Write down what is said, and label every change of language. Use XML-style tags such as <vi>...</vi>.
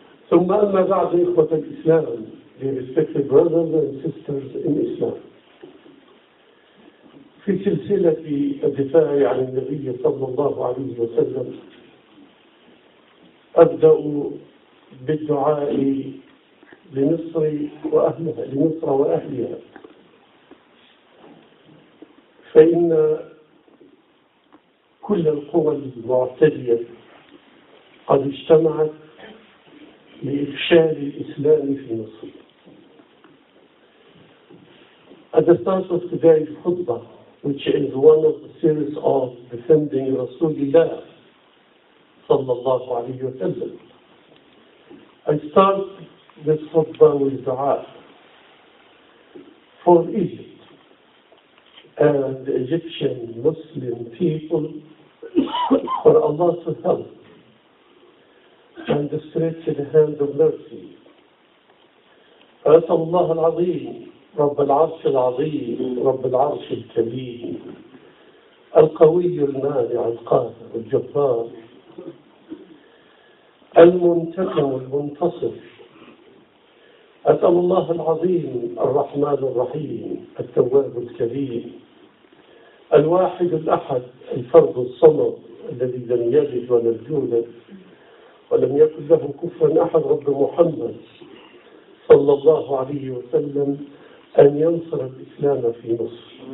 <ar>ثم أما بعد إخوة الإسلام</ar> <en>dear respected brothers and sisters in Islam</en> <ar>في سلسلة الدفاع عن النبي صلى الله عليه وسلم أبدأ بالدعاء لمصر وأهلها لمصر وأهلها فإن كل القوى المعتدية قد اجتمعت لإفشال الإسلام في مصر.</ar> <en>At the start of today's khutbah, which is one of the series of defending Rasulullah sallallahu alayhi wa sallam, I start this khutbah with dua for Egypt and the Egyptian Muslim people for Allah to help and the stretched hand of mercy.</en> <ar>أسأل الله العظيم رب العرش العظيم رب العرش الكريم القوي المانع القاهر الجبار المنتقم المنتصر أسأل الله العظيم الرحمن الرحيم التواب الكريم الواحد الأحد الفرد الصمد الذي لم يلد ولم يولد ولم يكن له كفوا أحد رب محمد صلى الله عليه وسلم أن ينصر الإسلام في مصر.</ar>